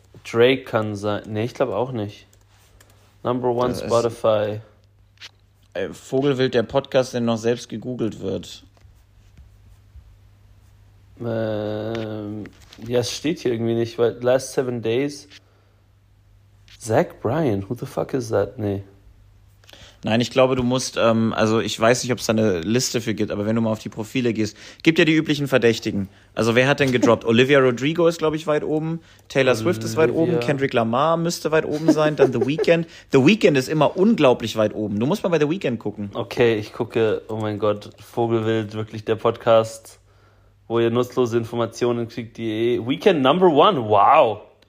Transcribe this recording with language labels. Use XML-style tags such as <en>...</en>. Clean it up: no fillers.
<de>Drake kann sein. Nee, ich glaube auch nicht.</de> <en>Number 1 Spotify.</en> <de>Vogelwild, der Podcast, der noch selbst gegoogelt wird. Ja, es steht hier irgendwie nicht, weil</de> <en>Last 7 Days. Zach Bryan, who the fuck is that?</en> <de>Nee. Nein, ich glaube, du musst, also ich weiß nicht, ob es da eine Liste für gibt, aber wenn du mal auf die Profile gehst, gibt ja die üblichen Verdächtigen. Also wer hat denn gedroppt? Olivia Rodrigo ist, glaube ich, weit oben. Taylor Swift ist weit oben. Kendrick Lamar müsste weit oben sein. Dann The Weeknd. The Weeknd ist immer unglaublich weit oben. Du musst mal bei The Weeknd gucken. Okay, ich gucke, oh mein Gott, Vogelwild, wirklich der Podcast, wo ihr nutzlose Informationen kriegt. Die Weeknd</de> <en>number one,</en> <de>wow.</de>